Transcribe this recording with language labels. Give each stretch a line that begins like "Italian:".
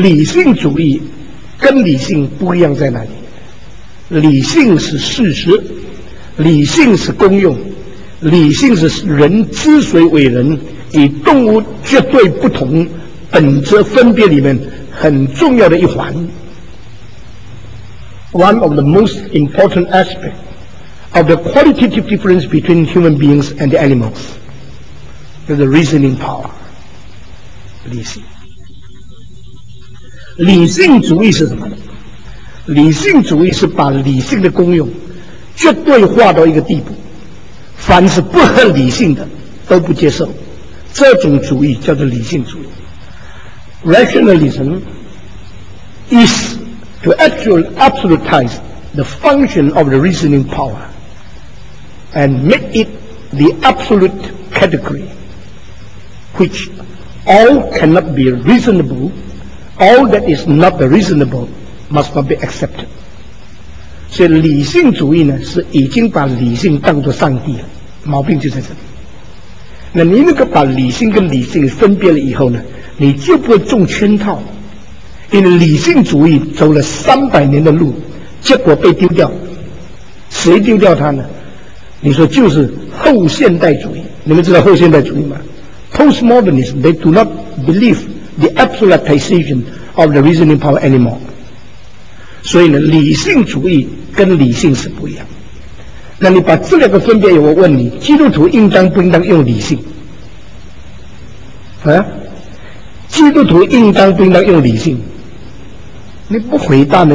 Chinese: 理性主义跟理性不一样在哪里？理性是事实，理性是功用，理性是人之所以为人，与动物绝对不同，本质分别里面很重要的一环。
English: One of the most important aspect of the qualitative difference between human beings and the animals is the reasoning power, 理性。
Chinese: 理性主义是什么？理性主义是把理性的功用绝对化到一个地步，凡是不合理性的都不接受，这种主义叫做理性主义。
English: Rationalism is to actually absolutize the function of the reasoning power and make it the absolute category which all cannot be reasonable, all that is not reasonable must not be accepted.
Chinese: 所以理性主义呢，是已经把理性当作上帝了，毛病就在这里。那你那个把理性跟理性分别了以后呢，你就不会中圈套，因为理性主义走了300年的路，结果被丢掉。谁丢掉它呢？你说就是后现代主义。你们知道后现代主义吗？
English: Postmodernism, they do not believe the absolutization of the reasoning power anymore.
Chinese: 所以呢，理性主义跟理性是不一样。那你把这两个分别，我问你，基督徒应当不应当用理性？啊？基督徒应当不应当用理性？你不回答呢？